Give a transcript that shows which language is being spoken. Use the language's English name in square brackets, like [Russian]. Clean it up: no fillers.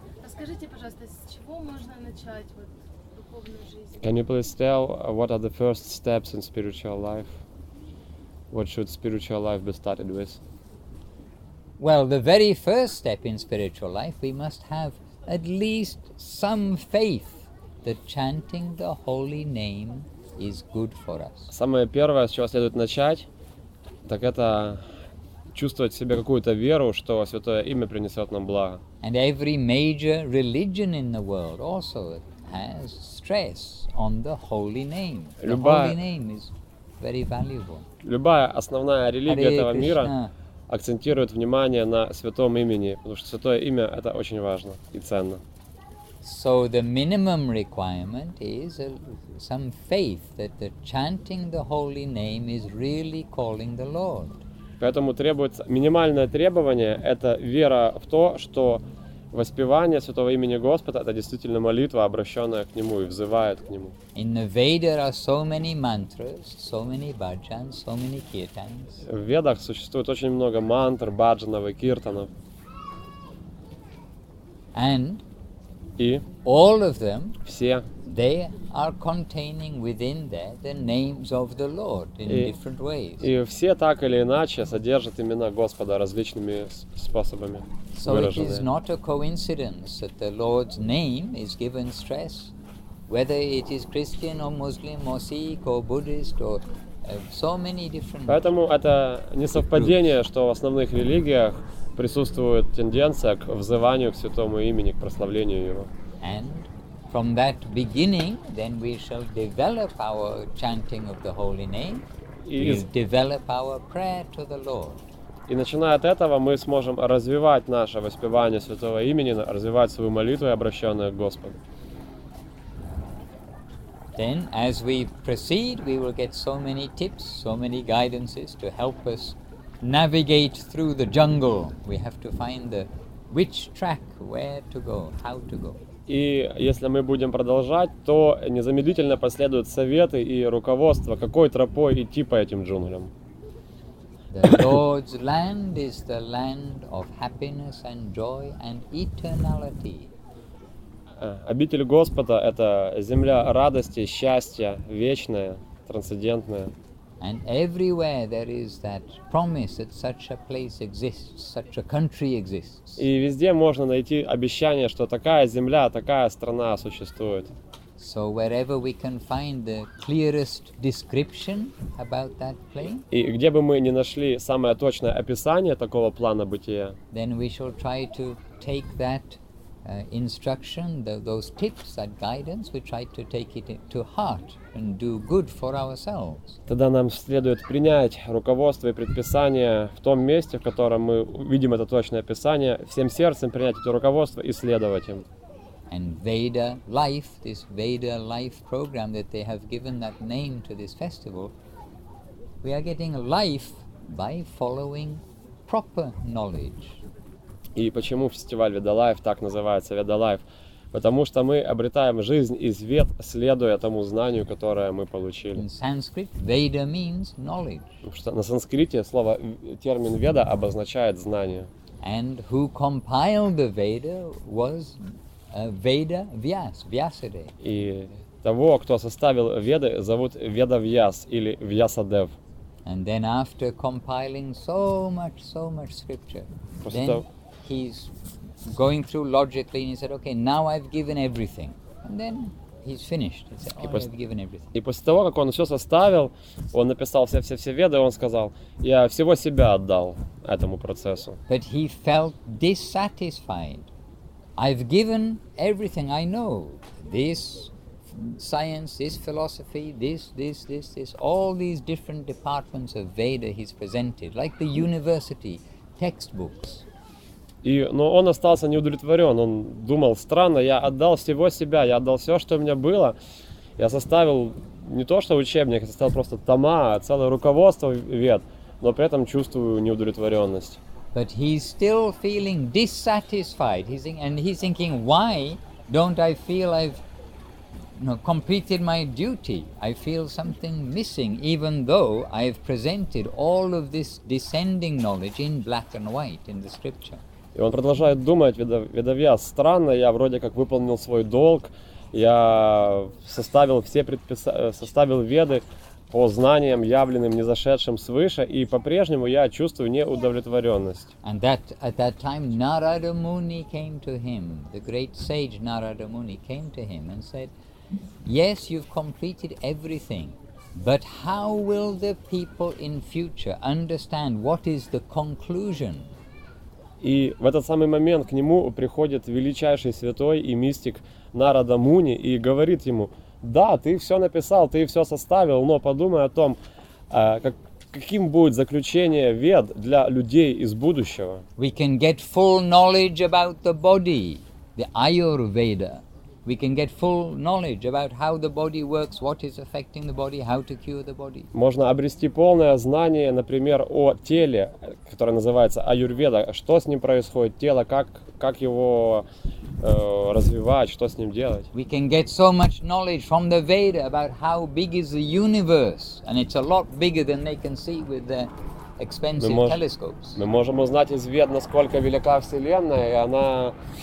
[Russian] Скажите, пожалуйста, с чего можно начать вот духовную жизнь? [English] Can you please tell what are the first steps in spiritual life? What should spiritual life be started with? Well, the very first step in spiritual life, we must have at least some faith that chanting the holy name is good for us. [Russian] Самое первое, с чего следует начать, так это чувствовать в себе какую-то веру, что святое имя принесет нам благо. [English] And every major religion in the world also has stress on the holy name. The holy name is very valuable. [Russian] Любая основная религия этого мира акцентирует внимание на святом имени, потому что святое имя — это очень важно и ценно. [English] So the minimum requirement is some faith that the chanting the holy name is really calling the Lord. [Russian] Поэтому требуется минимальное требование — это вера в то, что воспевание святого имени Господа — это действительно молитва, обращенная к Нему и взывает к Нему. [English] In the Veda are so many mantras, so many bhajans, so many kirtans. [Russian] В Ведах существует очень много мантр, бхаджанов и киртанов. [English] And [Russian] и [English] all of them, [Russian] все, [English] they are containing within there the names of the Lord in different ways. [Russian] И все так или иначе содержат имена Господа различными способами выраженные. [English] So it is not a coincidence that the Lord's name is given stress, whether it is Christian or Muslim or Sikh or Buddhist or so many different. [Russian] Поэтому это не совпадение, что в основных религиях присутствует тенденция к взыванию к святому имени, к прославлению его. [English] And from that beginning, then we shall develop our chanting of the holy name. We'll develop our prayer to the Lord. [Russian] И начиная от этого, мы сможем развивать наше воспевание святого имени, развивать свою молитву, обращенную к Господу. [English] Then, as we proceed, we will get so many tips, so many guidances to help us navigate through the jungle. We have to find the which track, where to go, how to go. [Russian] И если мы будем продолжать, то незамедлительно последуют советы и руководство, какой тропой идти по этим джунглям. [English] The Lord's land is the land of happiness and joy and eternality. [Russian] Обитель Господа — это земля радости, счастья, вечная, трансцендентная. [English] And everywhere there is that promise that such a place exists, such a country exists. [Russian] И везде можно найти обещание, что такая земля, такая страна существует. [English] So wherever we can find the clearest description about that place. [Russian] И где бы мы ни нашли самое точное описание такого плана бытия. [English] Then we shall try to take that instruction, those tips, that guidance, we try to take it to heart and do good for ourselves. [Russian] Тогда нам следует принять руководство и предписание в том месте, в котором мы видим это точное описание, всем сердцем принять это руководство и следовать им. [English] And Veda Life, this Veda Life program that they have given that name to this festival, we are getting life by following proper knowledge. [Russian] И почему фестиваль Veda Life так называется Veda Life? Потому что мы обретаем жизнь из вед, следуя тому знанию, которое мы получили. [English] In Sanskrit, Veda means knowledge. [Russian] Потому что на санскрите слово термин Veda обозначает знание. [English] And who compiled the Veda was Veda Vyas, Vyasadev. [Russian] И того, кто составил Веды, зовут Веда Вьяс или Вьясадев. [English] And then after compiling so much scripture, he's going through logically and he said, okay, now I've given everything. And then he's finished. He said, oh, I've given everything. [Russian] И после того, как он все составил, он написал все веды, он сказал, я всего себя отдал этому процессу. [English] But he felt dissatisfied. I've given everything I know. This science, this philosophy, this, all these different departments of Veda he's presented, like the university textbooks. [Russian] Но он остался неудовлетворен, он думал, странно, я отдал всего себя, я отдал все, что у меня было, я составил не то что учебник, я составил просто тома, целое руководство вед, но при этом чувствую неудовлетворенность. [English] But he's still feeling dissatisfied, and he's thinking, why don't I feel I've completed my duty? I feel something missing, even though I've presented all of this descending knowledge in black and white in the scripture. [Russian] И он продолжает думать, Ведавьяс, странно, я вроде как выполнил свой долг, я составил все составил веды по знаниям, явленным низошедшим свыше, и по-прежнему я чувствую неудовлетворенность. [English] And that, at that time, Narada Muni came to him, the great sage Narada Muni came to him and said, yes, you've completed everything, but how will the people in future understand what is the conclusion? [Russian] И в этот самый момент к нему приходит величайший святой и мистик Нарада Муни и говорит ему: да, ты все написал, ты все составил, но подумай о том, каким будет заключение вед для людей из будущего. [English] We can get full knowledge about the body, the Ayurveda. We can get full knowledge about how the body works, what is affecting the body, how to cure the body. [Russian] Можно обрести полное знание, например, о теле, которое называется аюрведа, что с ним происходит, тело, как его развивать, что с ним делать. [English] We can get so much knowledge from the Veda about how big is the universe, and it's a lot bigger than they can see with the expensive telescopes. [Russian] Мы можем узнать из Вед, насколько велика Вселенная, и она...